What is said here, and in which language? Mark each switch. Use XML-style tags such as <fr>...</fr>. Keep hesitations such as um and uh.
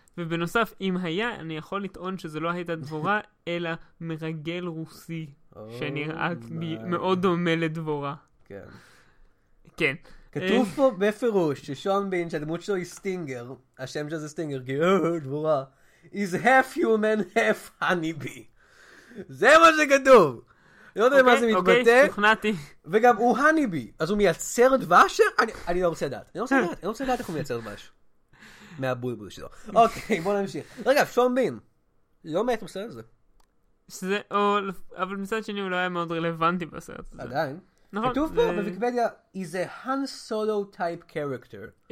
<he>ובנוסף, אם היה, אני יכול לטעון שזה לא הייתה דבורה, אלא מרגל רוסי. שנראה מאוד דומה לדבורה. כן. כתוב פה בפירוש ששון בין, שהדמות שלו היא סטינגר, השם שלו זה סטינגר, דבורה.</he> <en>is half human, half honeybee.</en> <he>זה מה שכתוב. לא יודע מה זה מתבטא. אוקיי, שוכנעתי. וגם הוא הניבי, אז הוא מייצר דבש? אני לא רוצה לדעת. אני לא רוצה לדעת, איך הוא מייצר דבש. מהבולבול שלו. אוקיי, בוא נמשיך. רגע, שון בין. לא מת בסדר שזה, או, אבל מצד שני הוא לא היה מאוד רלוונטי בסרט הזה. עדיין. נכון. כתוב פה בוויקיפדיה,</he> <en>is a Han Solo type character.</en>